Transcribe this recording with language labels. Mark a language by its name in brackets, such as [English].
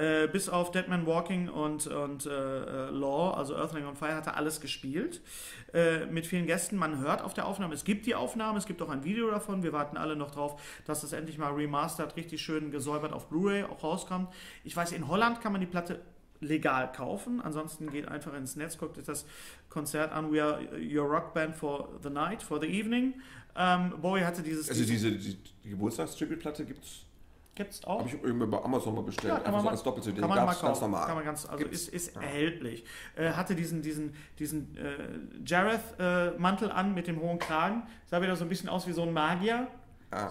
[German] Bis auf Dead Man Walking und Law, also Earthling on Fire, hat er alles gespielt. Mit vielen Gästen. Man hört auf der Aufnahme, es gibt die Aufnahme, es gibt auch ein Video davon. Wir warten alle noch drauf, dass das endlich mal remastered, richtig schön gesäubert auf Blu-ray auch rauskommt. Ich weiß, in Holland kann man die Platte legal kaufen. Ansonsten geht einfach ins Netz, guckt euch das Konzert an. [English] We are your rock band for the night, for the evening. [German] Bowie hatte dieses... Also die Geburtstagstribute-Platte gibt's... Gibt es auch. Habe ich irgendwie bei Amazon mal bestellt. Ja, einfach so als Doppel-CD. Kann man mal kaufen. Ganz normal. Kann man ganz, also ist erhältlich. Hatte diesen Jareth-Mantel an mit dem hohen Kragen. Sah wieder so ein bisschen aus wie so ein Magier. Ja.